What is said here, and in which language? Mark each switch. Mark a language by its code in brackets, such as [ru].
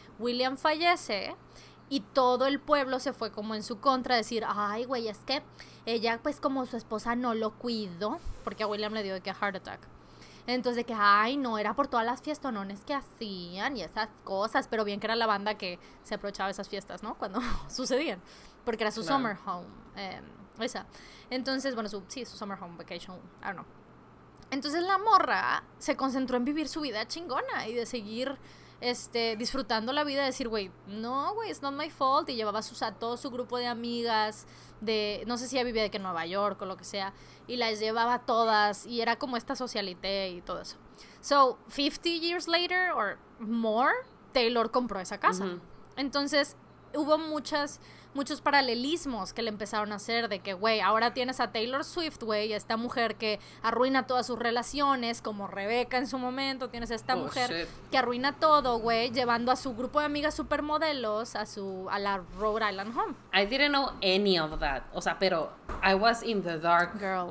[es] William fallece y todo el pueblo se fue como en su contra a decir, ay güey, es que ella pues como su esposa no lo cuidó, porque a William le dio de que heart attack. Entonces de que, ay no, era por todas las fiestonones que hacían y esas cosas, pero bien que era la banda que se aprovechaba esas fiestas, ¿no? Cuando sucedían, porque era su summer home, esa. Entonces, bueno, su summer home vacation, [en] I don't know. [es] Entonces la morra se concentró en vivir su vida chingona y de seguir disfrutando la vida, de decir, güey, no, güey, [en] it's not my fault. [es] Y llevaba a todo su grupo de amigas, de no sé si ya vivía de que en Nueva York o lo que sea, y las llevaba todas, y era como esta socialité y todo eso. [en] So, 50 years later or more, Taylor compró esa casa. [es] Entonces hubo muchos paralelismos que le empezaron a hacer de que, güey, ahora tienes a Taylor Swift, güey, esta mujer que arruina todas sus relaciones, como Rebecca en su momento, tienes a esta mujer que arruina todo, güey, llevando a su grupo de amigas supermodelos a la Rhode Island home. [en] I didn't know any of that, [es] o sea, pero [en] I was in the dark, girl.